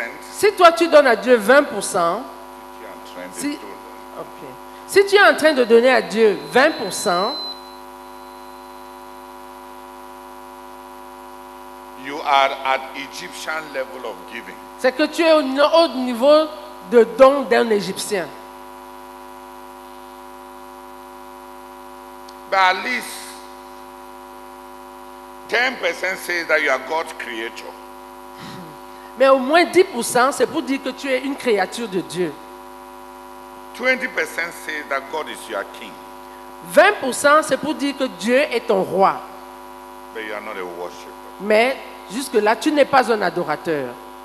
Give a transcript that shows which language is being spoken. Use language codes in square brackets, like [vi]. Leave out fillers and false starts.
[fr] si toi tu donnes à Dieu 20%, si tu es en train de donner à Dieu 20%, [en] you are at Egyptian level of giving. [fr] C'est que tu es au niveau de don d'un Égyptien. [en] But at least 10% says that you are God's creature. [fr] Mais au moins 10%, c'est pour dire que tu es une créature de Dieu. [en] 20% says that God is your king. [fr] 20%, c'est pour dire que Dieu est ton roi. [en] But you are not a worshipper. [fr] Mais jusque-là, tu n'es pas un adorateur.